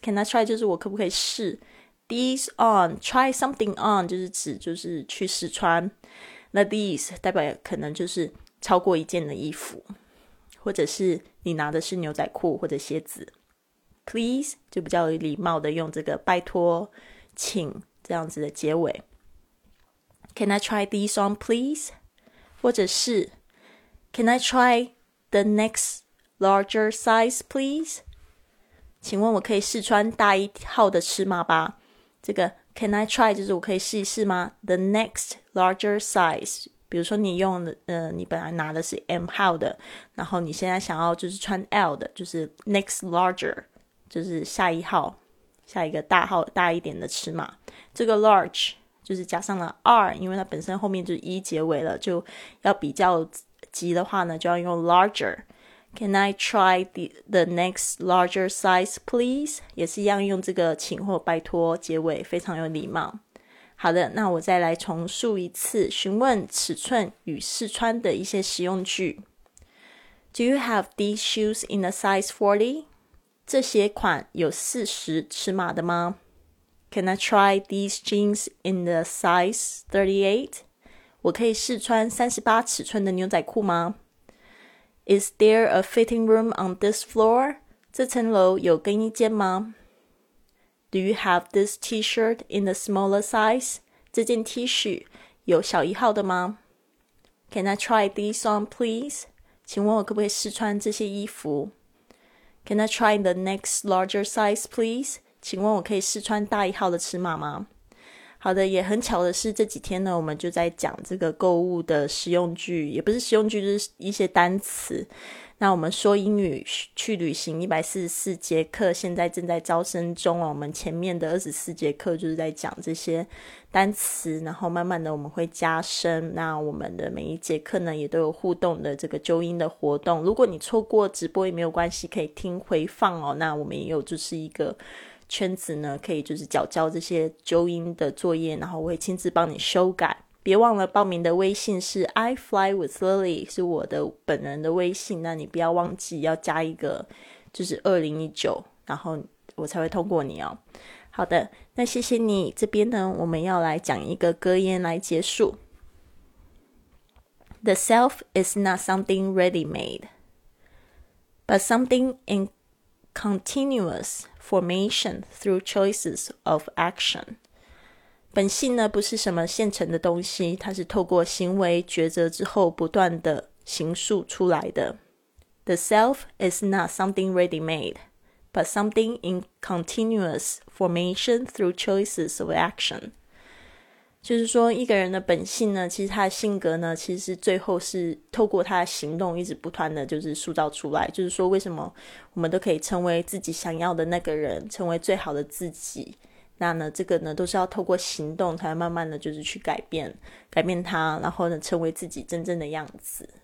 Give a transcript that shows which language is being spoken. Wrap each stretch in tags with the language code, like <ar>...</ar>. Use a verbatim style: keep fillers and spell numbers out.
<zh>Can I try 就是我可不可以试 these on, try something on 就是指就是去试穿，那 these 代表可能就是超过一件的衣服，或者是你拿的是牛仔裤或者鞋子。 Please 就比较有礼貌的用这个拜托请这样子的结尾。</zh> <en>Can I try these on please? 或者是 Can I try the next larger size please?</en> <zh>请问我可以试穿大一号的尺码吧。这个 Can I try 就是我可以试一试吗？</zh> <en>The next larger size，</en> <zh>比如说你用的呃，你本来拿的是 M 号的，然后你现在想要就是穿 L 的，就是 next larger 就是下一号，下一个大号大一点的尺码。这个 large 就是加上了 R， 因为它本身后面就是 E 结尾了，就要比较急的话呢就要用 larger。</zh> <en>Can I try the, the next larger size please?</en> <zh>也是一样用这个请或拜托结尾，非常有礼貌。好的，那我再来重述一次询问尺寸与试穿的一些实用句。</zh> <en>Do you have these shoes in a size forty?</en> <zh>这鞋款有forty尺码的吗？</zh> <en>Can I try these jeans in the size thirty-eight?</en> <zh>我可以试穿thirty-eight尺寸的牛仔裤吗？</zh> <en>Is there a fitting room on this floor?</en> <zh>这层楼有更衣间吗？</zh> <en>Do you have this t-shirt in the smaller size?</en> <zh>这件 T 恤有小一号的吗？</zh> <en>Can I try these on please?</en> <zh>请问我可不可以试穿这些衣服？</zh> <en>Can I try the next larger size please?</en> <zh>请问我可以试穿大一号的尺码吗？好的，也很巧的是这几天呢我们就在讲这个购物的实用句，也不是实用句，就是一些单词。那我们说英语去旅行一百四十四节课现在正在招生中啊，我们前面的二十四节课就是在讲这些单词，然后慢慢的我们会加深。那我们的每一节课呢也都有互动的这个纠音的活动，如果你错过直播也没有关系，可以听回放哦。那我们也有就是一个圈子呢可以就是缴交这些纠音的作业，然后我会亲自帮你修改。别忘了报名的微信是 I fly with Lily， 是我的本人的微信，那你不要忘记要加一个就是二零一九，然后我才会通过你哦。好的，那谢谢你。这边呢我们要来讲一个格言来结束。</zh> <en>The self is not something ready-made, but something in continuous formation through choices of action。</en> <zh>本性呢不是什么现成的东西，它是透过行为抉择之后不断的形塑出来的。</zh> <en>The self is not something ready-made, but something in continuous formation through choices of action。</en> <zh>就是说一个人的本性呢，其实他的性格呢，其实最后是透过他的行动一直不断的就是塑造出来。就是说为什么我们都可以成为自己想要的那个人，成为最好的自己，那呢这个呢都是要透过行动才慢慢的就是去改变改变它，然后呢成为自己真正的样子。</zh>